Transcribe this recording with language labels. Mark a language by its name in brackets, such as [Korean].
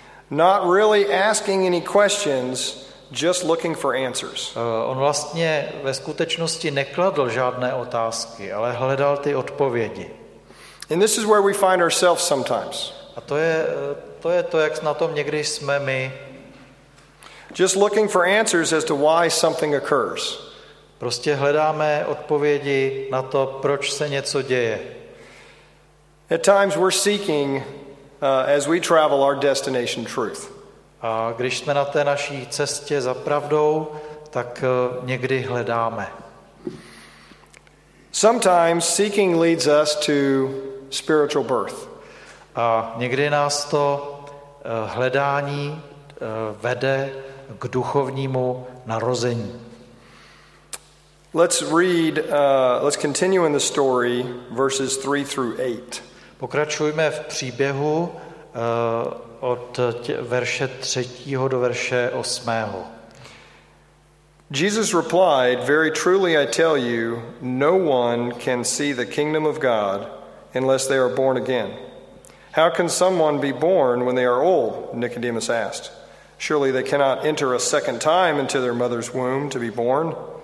[English] Not really asking any questions, just looking for answers. [Czech] On vlastně ve skutečnosti nekladl žádné otázky, ale hledal ty odpovědi. [English] And this is where we find ourselves sometimes. [Czech] A to je to, jak na tom někdy jsme my. [English] Just looking for answers as to why something occurs. [Czech] Prostě hledáme odpovědi na to, proč se něco děje. [English] At times we're seeking as we travel our destination truth. [Czech] A když jsme na té naší cestě za pravdou, tak někdy hledáme. [English] Sometimes seeking leads us to spiritual birth. [Czech] A někdy nás to hledání vede k duchovnímu narození. [English] Let's continue in the story, verses 3 through 8. [Czech] Pokračujeme v příběhu od verše 3. do verše 8. [English] Jesus replied, "Very truly I tell you, no one can see the kingdom of God unless they are born again. How can someone be born when they are old?" Nicodemus asked. "Surely they cannot enter a second time into their mother's womb to be born."